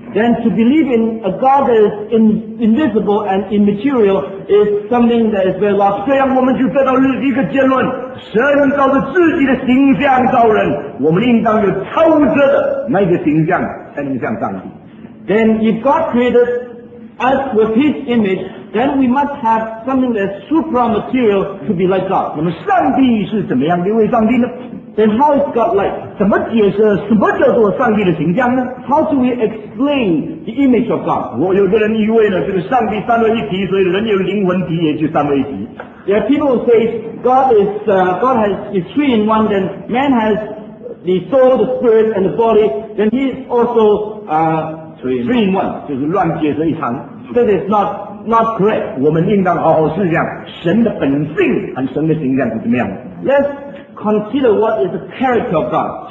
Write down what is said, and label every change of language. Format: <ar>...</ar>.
<en>Then to believe in a God that is invisible and immaterial is something that is very lost.</en> <zh>这样我们就得到一个结论：神照着自己的形象造人，我们应当有超物质的那个形象，才能像上帝。</zh> <en>Then if God created us with His image, then we must have something that's supra-material to be like God.</en> <zh>那么上帝是怎么样的一位上帝呢？</zh> <en>Then how is God like?</en> <zh>怎么解释什么叫做上帝的形象呢？</zh> <en>How do we explain the image of God?</en> <zh>我有个人以为呢，这个上帝三位一体，所以人有灵魂体，也就三位一体。</zh> <en>There are people who say God is three in one, then man has the soul, the spirit, and the body, then he is also, Three in one</en> <zh>就是乱解释一场</zh> <en>That is not correct.</en> <zh>我们应当好好思想神的本性和神的形象是怎么样。</zh> <en>Let's consider what is the character of God.</en>